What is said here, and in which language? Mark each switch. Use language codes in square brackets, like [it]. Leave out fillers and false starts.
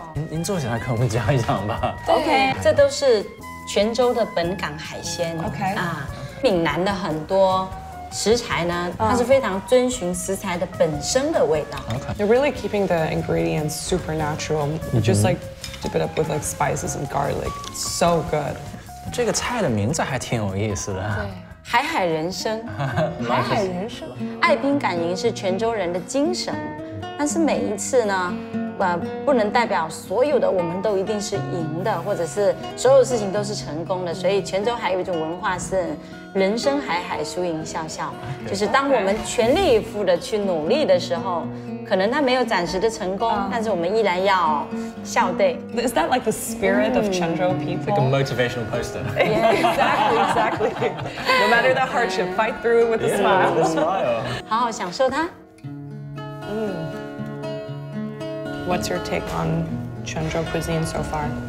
[zh] 您坐下来跟我们讲一讲吧。 OK, 这都是泉州的本港海鲜。 [en] OK. [zh] 闽南的很多食材呢，它是非常遵循食材的本身的味道。 [en] Okay. You're really keeping the ingredients super natural,、just like dip it up with like spices and garlic. So good. [zh] 这个菜的名字还挺有意思的。对，海海人生。海海人生，爱宾感迎是泉州人的精神，但是每一次呢，不能代表所有的我们都一定是赢的，或者是所有事情都是成功的。所以泉州还有一种文化是。人生海海，输赢笑笑。就是当我们全力以赴的去努力的时候，可能它没有暂时的成功，但是我们依然要笑对。 [en] Is that like the spirit of Quanzhou people? Like a motivational poster. Yeah, exactly, exactly. No matter the hardship, fight through it with a smile. Yeah, with a smile. [zh] 好好享受它。 [en] What's your take on? Quanzhou cuisine so far.